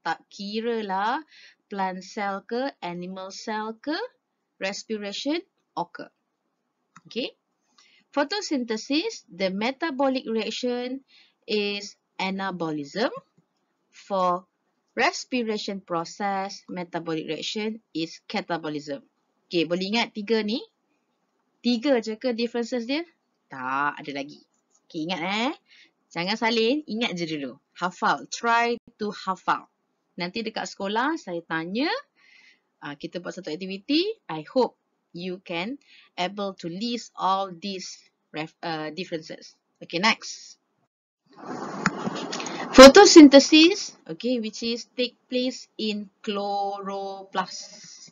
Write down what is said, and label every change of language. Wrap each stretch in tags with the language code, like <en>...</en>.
<ms>Tak kira lah,</ms> <en>plant cell ke, animal cell ke, respiration occur. Okay. Photosynthesis, the metabolic reaction is anabolism. For respiration process, metabolic reaction is catabolism.</en> <ms>Okay, boleh ingat tiga ni? Tiga je ke differences dia? Tak, ada lagi. Okay, ingat eh. Jangan salin, ingat je dulu. Hafal,</ms> <en>try to</en> <ms>hafal. Nanti dekat sekolah, saya tanya. Kita buat satu aktiviti.</ms> <en>I hope you can able to list all these differences. Okay, next. Photosynthesis, okay, which is take place in chloroplast.</en>